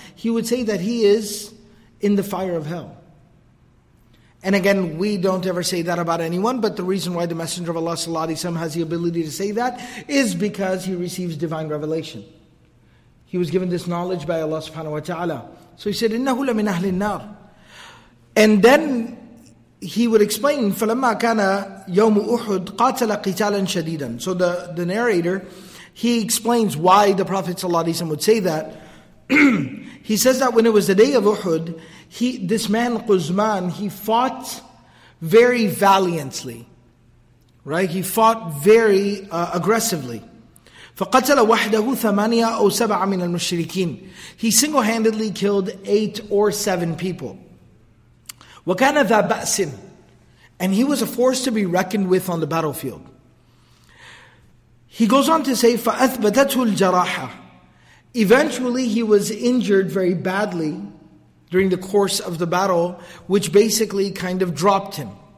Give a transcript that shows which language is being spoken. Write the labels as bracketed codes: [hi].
[en] He would say that he is in the fire of hell. And again, we don't ever say that about anyone, but the reason why the Messenger of Allah sallallahu alaihi wasallam has the ability to say that is because he receives divine revelation. He was given this knowledge by Allah subhanahu wa ta'ala. So he said, [ar] إِنَّهُ لَمِنْ أَهْلِ النَّارِ. [en] And then he would explain, [ar] فَلَمَّا كَانَ يَوْمُ أُحُدْ قَاتَلَ قِتَالًا شَدِيدًا. [en] So the narrator, he explains why the Prophet sallallahu alaihi wasallam would say that. He says that when it was the day of Uhud, this man Quzman, he fought very valiantly. Right? He fought very aggressively. [ar] فَقَتَلَ وَحْدَهُ ثَمَانِيَا أَوْ سَبَعَ مِنَ الْمُشْرِكِينَ [en] He single-handedly killed 8 or 7 people. [ar] وَكَانَ ذَا بَأْسٍ [en] And he was a force to be reckoned with on the battlefield. He goes on to say, [ar] فَأَثْبَتَتْهُ الْجَرَاحَ [en] Eventually he was injured very badly during the course of the battle, which basically kind of dropped him.